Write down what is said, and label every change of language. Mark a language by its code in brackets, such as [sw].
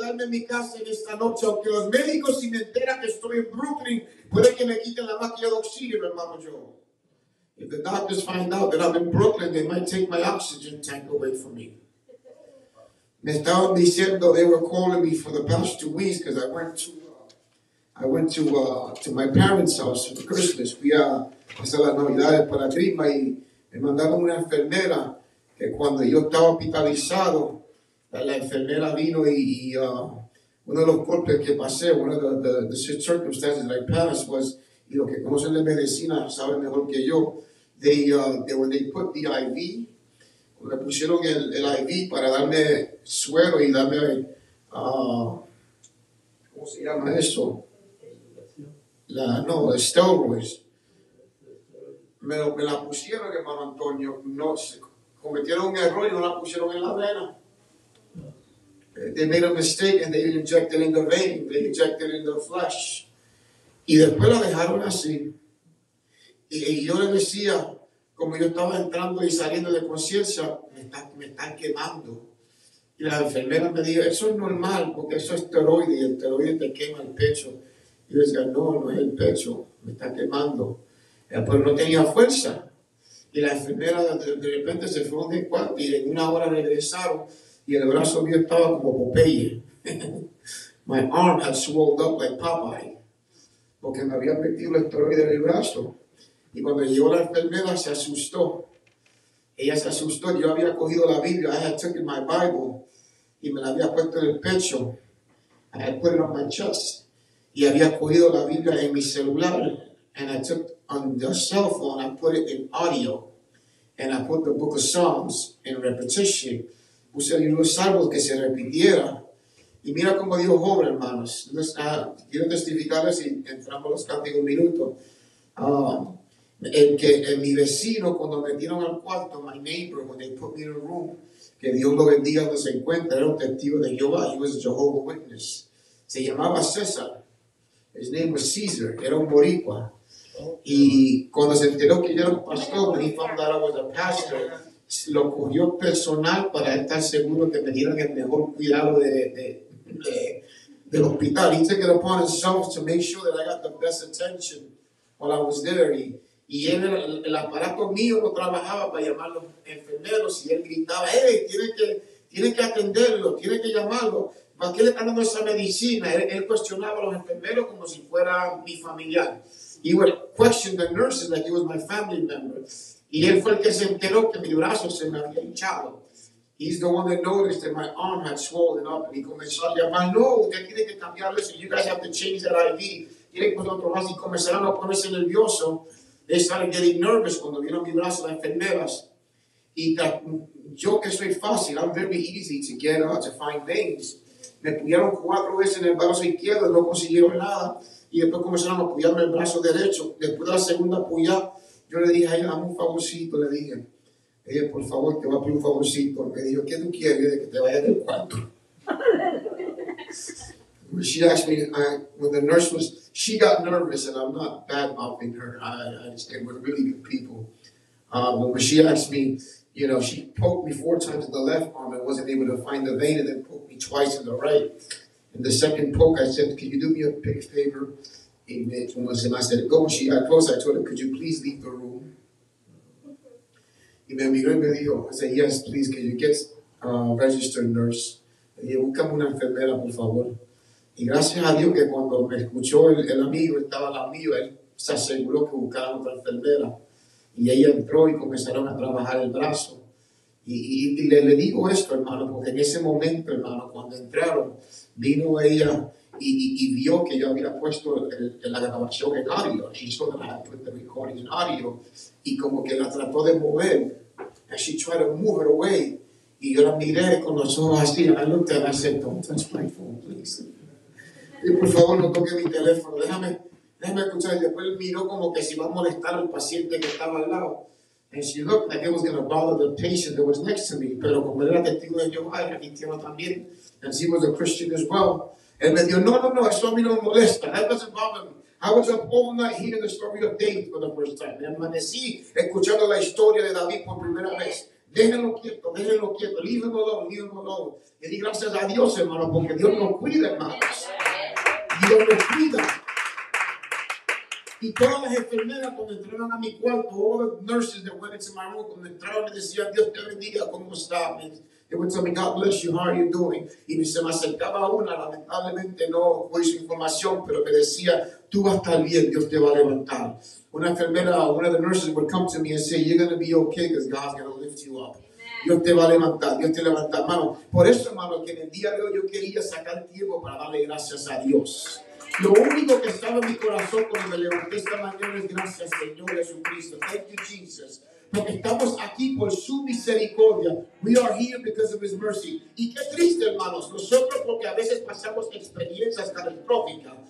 [es] Mi casa en esta noche, aunque los médicos, si me entera que estoy en Brooklyn, puede que me quiten la máquina de oxígeno, hermano. [en] Yo, if the doctors find out that I'm in Brooklyn, they might take my oxygen tank away from me. [es] Me estaban diciendo, [en] they were calling me for the past 2 weeks because I went too long. I went to my parents' house for Christmas. [es] Fui a pasar las Navidades para Crisma y me mandaron una enfermera que cuando yo estaba hospitalizado, la enfermera vino y uno de los golpes que pasé, [en] one of the circumstances that I passed was, [es] y lo que conocen de medicina saben mejor que yo, [en] when they put the IV, [es] le pusieron el IV para darme suero y darme, ¿cómo se llama eso? Steroids. Me la pusieron, hermano Antonio. No, se cometieron un error y no la pusieron en la vena. [en] They made a mistake and they injected in the vein. They injected in the flesh. [es] Y después la dejaron así. Y yo le decía, como yo estaba entrando y saliendo de conciencia, me están quemando. Y la enfermera me dijo, eso es normal porque eso es esteroide y el esteroide te quema el pecho. Y yo decía, no es el pecho, me está quemando. Pero no tenía fuerza. Y la enfermera de repente se fue a un cuarto y en una hora regresaron y el brazo mío estaba como Popeye. [en] My arm had swelled up like Popeye. [es] Porque me había metido el esteroide en el brazo. Y cuando llegó la enfermera se asustó. Ella se asustó, yo había cogido la Biblia, [en] I had taken my Bible, [es] y me la había puesto en el pecho. [en] I had put it on my chest. [es] Y había cogido la Biblia en mi celular, [en] and I took on the cell phone, I put it in audio, and I put the book of Psalms in repetition. [es] Puse el libro de Salmos que se repitiera. Y mira cómo Dios obra, hermanos. Entonces, quiero testificarles y entramos los cánticos un minuto. En mi vecino, cuando me dieron al cuarto, [en] my neighbor, when they put me in a room, [es] que Dios lo bendiga donde se encuentra, era un testigo de Jehová, [en] he was a Jehovah's Witness. [es] Se llamaba César. [en] His name was Caesar. [es] Era un boricua. Y cuando se enteró que yo era un pastor, [en] when he found out I was a pastor, [es] lo cogió personal para estar seguro que me dieran el mejor cuidado del hospital. [en] He took it upon himself to make sure that I got the best attention while I was there. [es] Y el aparato mío no trabajaba para llamar a los enfermeros. Y él gritaba, hey, tiene que atenderlo, tiene que llamarlo. ¿Para qué le están dando esa medicina? Él cuestionaba a los enfermeros como si fuera mi familiar. [en] He would question the nurses like he was my family member. [es] Y él fue el que se enteró que mi brazo se me había hinchado. [en] He's the one that noticed that my arm had swollen up. [es] Y comenzó a llamar, no, usted tiene que cambiarlo. [en] You guys have to change that IV. [es] Tiene que otro brazo. Y comenzaron a ponerse nervioso. [en] They started getting nervous [es] cuando vieron mi brazo las enfermeras. Y yo que soy fácil, [en] I'm very easy to get out, to find veins. [es] Me pusieron cuatro veces en el brazo izquierdo, no consiguieron nada. Y después comenzaron a apoyarme el brazo derecho. Después de la segunda apoyada, yo le dije a ella, dame un favorcito, le dije. Ella, por favor, te voy a pedir un favorcito. Me dijo, ¿qué tú quieres? De que te vayas del cuarto. [en] She asked me, when the nurse was, she got nervous, and I'm not bad-mouthing her. They were really good people. But when she asked me, you know, she poked me four times in the left arm and wasn't able to find the vein, and then poked me twice in the right. And the second poke, I said, can you do me a big favor? And I said, go. She got close. I told her, could you please leave the room? [es] Y me miró y me dijo, [en] I said, yes, please, can you get a registered nurse? [es] Y buscame una enfermera, por favor. Y gracias a Dios que cuando me escuchó el amigo, estaba el amigo, él se aseguró que buscara otra enfermera. Y ella entró y comenzaron a trabajar el brazo. Y le digo esto, hermano, porque en ese momento, hermano, cuando entraron, vino ella y vio que yo había puesto la grabación en audio. [en] She saw that I had put the recording in audio. [es] Y como que la trató de mover. [en] And she tried to move it away. [es] Y yo la miré con los ojos así. [en] And I looked at her and I said, don't touch my phone, please. [es] Y por favor, no toque mi teléfono. Déjame escuchar. Y después él miró como que si va a molestar al paciente que estaba al lado. [en] And she looked like it was going to bother the patient that was next to me. [es] Pero como era testigo de Jehová, era cristiano también. [en] And she was a Christian as well. [es] Él me dijo, no, eso a mí no me molesta. [en] That doesn't bother me. I was up all night hearing the story of David for the first time. [es] Me amanecí escuchando la historia de David por primera vez. Déjenlo quieto. [en] Leave him alone. [es] Y di gracias a Dios, hermano, porque Dios nos cuida, hermanos. Dios nos cuida. Y todas las enfermeras cuando entraron a mi cuarto, [en] all the nurses that went into my room, [es] cuando entraron me decían, Dios te bendiga, ¿cómo está? [en] They would tell me, God bless you, how are you doing? [es] Y se me acercaba una, lamentablemente no fue su información, pero me decía, tú vas a estar bien, Dios te va a levantar. Una enfermera, [en] one of the nurses would come to me and say, you're going to be okay because God's going to lift you up. [es] Dios te va a levantar, Dios te levanta, hermano. Por eso, hermano, que en el día de hoy yo quería sacar tiempo para darle gracias a Dios. Lo único que estaba en mi corazón cuando me levanté esta mañana es gracias, Señor Jesucristo. [en] Thank you, Jesus. [es] Porque estamos aquí por su misericordia. [en] We are here because of his mercy. [es] Y qué triste, hermanos. Nosotros porque a veces pasamos experiencias catastróficas.